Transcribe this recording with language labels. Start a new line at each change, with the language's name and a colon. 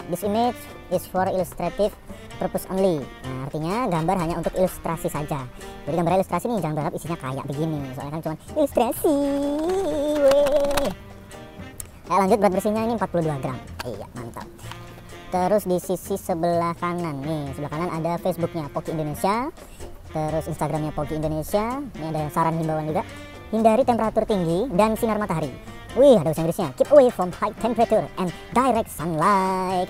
English: This image is for illustrative purpose only.
Indonesian: Nah, artinya gambar hanya untuk ilustrasi saja. Jadi gambar ilustrasi nih, jangan berharap isinya kayak begini. Soalnya kan cuma ilustrasi. Weh. Nah, lanjut, berat bersihnya ini 42 gram. Iya, mantap. Terus di sisi sebelah kanan nih, sebelah kanan ada Facebooknya Poki Indonesia. Terus Instagramnya Poki Indonesia. Ini ada saran himbauan juga. Hindari temperatur tinggi dan sinar matahari. Wih, ada bahasa Inggrisnya.
English: Keep away from high temperature and direct sunlight.